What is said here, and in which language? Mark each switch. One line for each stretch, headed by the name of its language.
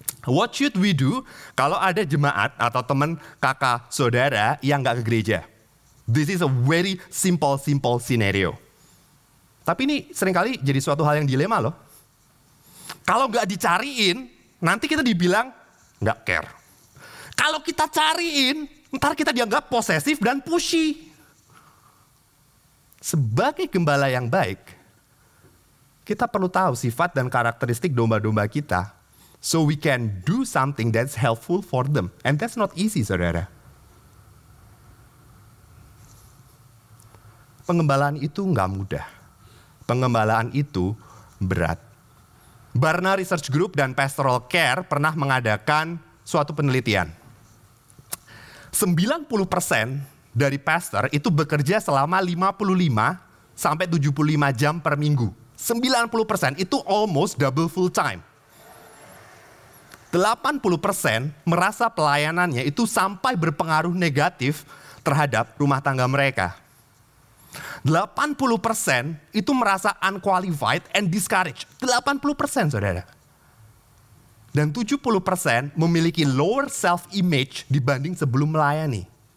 English: What should we do
Indonesian: kalau ada jemaat atau teman kakak saudara yang nggak ke gereja?
English: This is a very simple scenario.
Indonesian: Tapi ini seringkali jadi suatu hal yang dilema loh. Kalau gak dicariin, nanti kita dibilang gak care. Kalau kita cariin, ntar kita dianggap posesif dan pushy. Sebagai gembala yang baik, kita perlu tahu sifat dan karakteristik domba-domba kita,
English: so we can do something that's helpful for them. And that's not easy,
Indonesian: saudara. Penggembalaan itu gak mudah. Penggembalaan itu berat. Barna Research Group dan Pastoral Care pernah mengadakan suatu penelitian. 90% dari pastor itu bekerja selama 55 sampai 75 jam per minggu. 90% itu
English: almost double full time.
Indonesian: 80% merasa pelayanannya itu sampai berpengaruh negatif terhadap rumah tangga mereka. 80% itu merasa
English: unqualified and discouraged.
Indonesian: 80% saudara. Dan 70% memiliki
English: lower self-image
Indonesian: dibanding sebelum melayani.